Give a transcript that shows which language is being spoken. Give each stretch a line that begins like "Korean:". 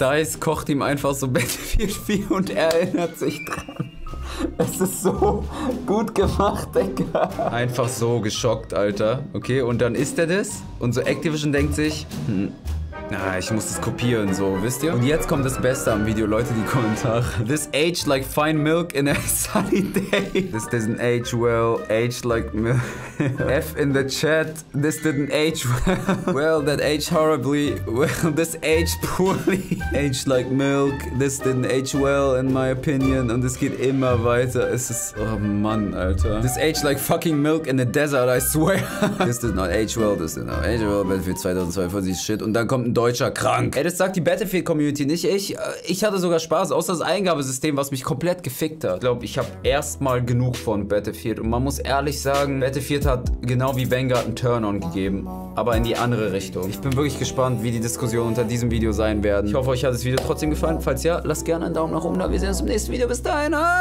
German: DICE kocht ihm einfach so Battlefield 4 und er erinnert sich dran. Es ist so gut gemacht, Digga. Einfach so geschockt, Alter. Okay, und dann isst er das. Und so Activision denkt sich, ich muss das kopieren, so, wisst ihr? Und jetzt kommt das Beste am Video, Leute, die Kommentare.
English: This aged like fine milk in a sunny day. This didn't age well, aged like milk. F in the chat, this didn't age well. Well, that aged horribly. Well, this aged poorly. Aged like milk, this didn't age well, in my opinion.
German: Und es geht immer weiter, es ist, oh Mann, Alter.
English: This aged like fucking milk in a desert, I swear. This did not age well, this did not age well. Battlefield 2042, shit.
German: Und dann kommt ein Deutscher, krank. Ey, das sagt die Battlefield-Community, nicht ich. Ich hatte sogar Spaß, außer das Eingabesystem, was mich komplett gefickt hat. Ich glaube, ich habe erstmal genug von Battlefield. Und man muss ehrlich sagen, Battlefield hat genau wie Vanguard einen Turn-On gegeben. Aber in die andere Richtung. Ich bin wirklich gespannt, wie die Diskussionen unter diesem Video sein werden. Ich hoffe, euch hat das Video trotzdem gefallen. Falls ja, lasst gerne einen Daumen nach oben da. Wir sehen uns im nächsten Video. Bis dahin.